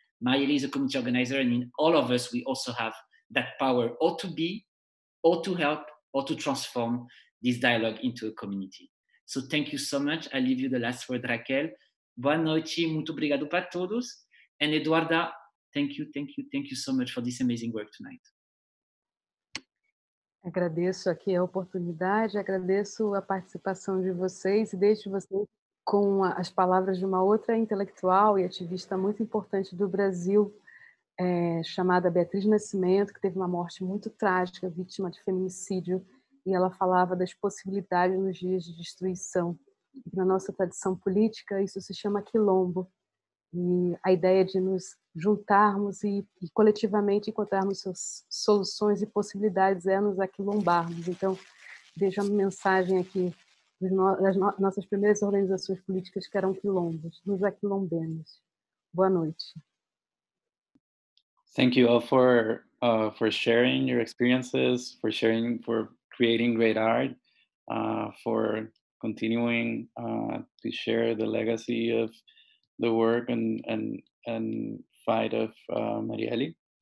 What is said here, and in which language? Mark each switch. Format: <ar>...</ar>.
<en>Marielle is a community organizer, and in all of us, we also have that power, or to be, or to help, or to transform this dialogue into a community. So thank you so much. I leave you the last word, Raquel.</en> <pt>Boa noite, muito obrigado para todos.</pt> <en>And Eduarda, thank you so much for this amazing work tonight.</en> <pt>Agradeço aqui a oportunidade, agradeço a participação de vocês e deixo vocês com as palavras de uma outra intelectual e ativista muito importante do Brasil, chamada Beatriz Nascimento, que teve uma morte muito trágica, vítima de feminicídio, e ela falava das possibilidades nos dias de destruição. Na nossa tradição política, isso se chama quilombo. E a ideia de nos juntarmos e coletivamente encontrarmos suas soluções e possibilidades é nos aquilombarmos. Então, deixo uma mensagem aqui das nossas primeiras organizações políticas, que eram quilombos, nos aquilombemos. Boa noite.</pt> <en>Thank you all for sharing your experiences, for sharing, for creating great art, for continuing to share the legacy of the work and fight of Marielle.</en>